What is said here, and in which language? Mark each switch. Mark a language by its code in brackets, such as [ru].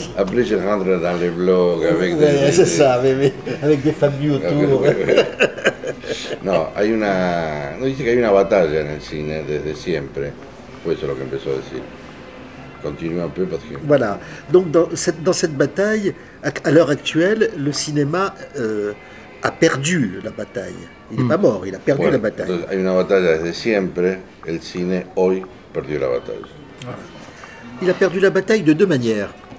[fr] Après, je rentre dans les blogs avec des... Ouais, c'est ça, bébé. Avec des familles autour. [es] No, hay una... No, dice que hay una batalla en el cine desde siempre. Fue eso lo que empezó a decir. [fr] Continue un peu parce que... Voilà. Donc, dans cette bataille, à l'heure actuelle, le cinéma a perdu la bataille. Il n'est pas mort, il a perdu la bataille. [es] Entonces, hay una batalla desde siempre. El cine hoy perdió la batalla. [fr] Il a perdu la bataille de deux manières.